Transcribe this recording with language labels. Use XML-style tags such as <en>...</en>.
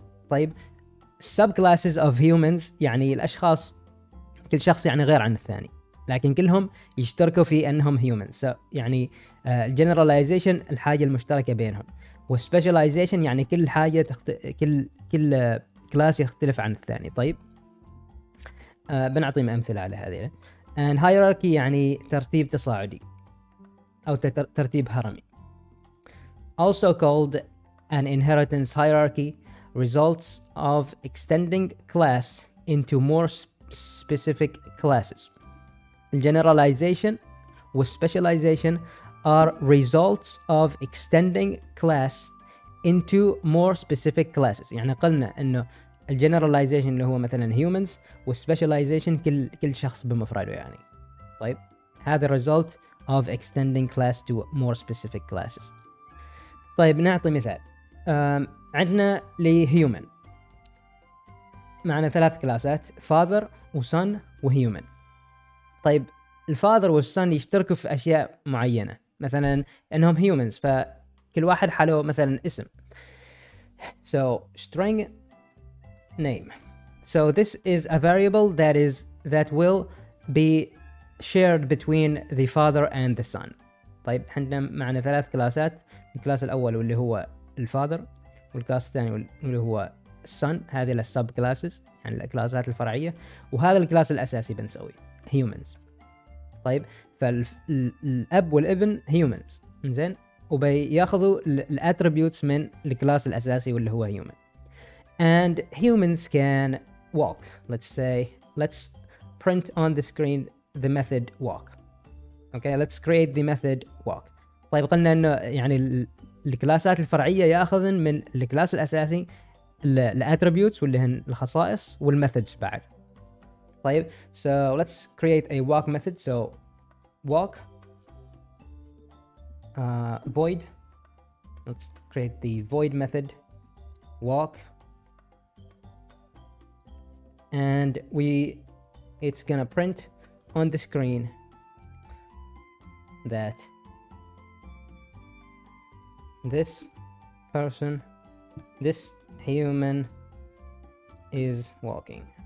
<ar>طيب</ar> <en>subclasses of humans</en> <ar>يعني الأشخاص, كل شخص يعني غير عن الثاني لكن كلهم يشتركوا في أنهم humans, يعني generalization الحاجة المشتركة بينهم, والspecialization يعني كل حاجة كل class يختلف عن الثاني. طيب بنعطيهم أمثلة على هذه.</ar> <en>And hierarchy</en> <ar>يعني ترتيب تصاعدي أو ترتيب هرمي.</ar> <en>Also called an inheritance hierarchy results of extending class into more specific classes. Generalization with specialization are results of extending class into more specific classes.</en> <ar>يعني قلنا انه generalization اللي هو مثلا humans والspecialization كل شخص بمفرده يعني. طيب هذا</ar> <en>result of extending class to more specific classes.</en> <ar>طيب نعطي مثال. عندنا لhuman معنا ثلاث كلاسات, father و son و human. طيب الفادر والسن يشتركوا في أشياء معينة مثلا إنهم humans, فكل واحد حلو مثلا اسم.</ar> <en>So string name. So this is a variable that will be shared between the father and the son.</en> <ar>طيب عندنا معنا ثلاث كلاسات, الكلاس الأول واللي هو الفادر والكلاس الثاني واللي هو son, هذه السب كلاسز يعني الكلاسات الفرعية, وهذا الكلاس الأساسي بنسوي humans. طيب فالاب والابن humans. انزين وبياخذوا الاتريبيوتس من الكلاس الاساسي واللي هو human.</ar> <en>And humans can walk. Let's print on the screen the method walk. Okay, let's create the method walk.</en> <ar>طيب قلنا انه يعني الكلاسات الفرعيه ياخذن من الكلاس الاساسي الاتريبيوتس واللي هن الخصائص والميثودز بعد. طيب</ar> <en>so let's create a walk method. So walk void Let's create the void method walk, and it's gonna print on the screen that this person, this human, is walking.</en>